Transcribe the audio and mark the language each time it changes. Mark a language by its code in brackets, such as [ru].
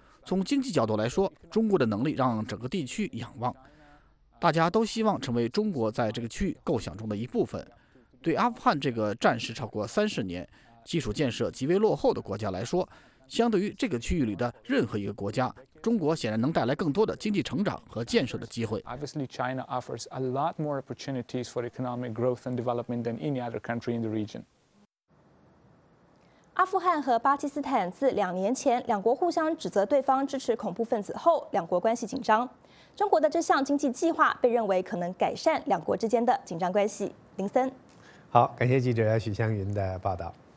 [zh] 从经济角度来说，中国的能力让整个地区仰望，大家都希望成为中国在这个区域构想中的一部分。对阿富汗这个战事超过30年。基础建设极为落后的国家来说，相对于这个区域里的任何一个国家，中国显然能带来更多的经济成长和建设的机会。 [en] Obviously, China offers a lot more opportunities for economic growth and development than any other country in the region. [zh] 阿富汗和巴基斯坦自2年前两国互相指责对方支持恐怖分子后，两国关系紧张。中国的这项经济计划被认为可能改善两国之间的紧张关系。林森，好，感谢记者许湘云的报道。